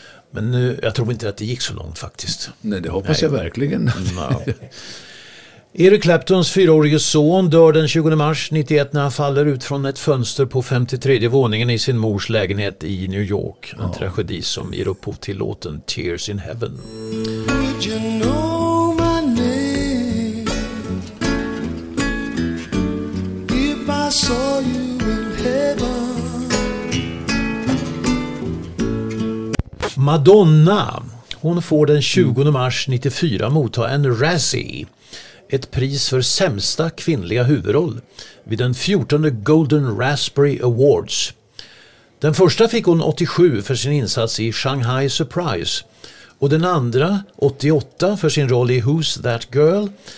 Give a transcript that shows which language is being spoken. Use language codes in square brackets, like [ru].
[sv] Men nu, jag tror inte att det gick så långt faktiskt. Nej, det hoppas jag verkligen. [en] No. [sv] Eric Claptons fyraårige son dör den 20 mars 91 när han faller ut från ett fönster på 53 våningen i sin mors lägenhet i New York. En tragedi som ger upphov till låten Tears in Heaven. [en] Would you know my name if I saw you in heaven? [sv] Madonna, hon får den 20 mars 94 motta en Razzie, ett pris för sämsta kvinnliga huvudroll, vid den 14:e Golden Raspberry Awards. Den första fick hon 87 för sin insats i Shanghai Surprise och den andra 88 för sin roll i Who's That Girl.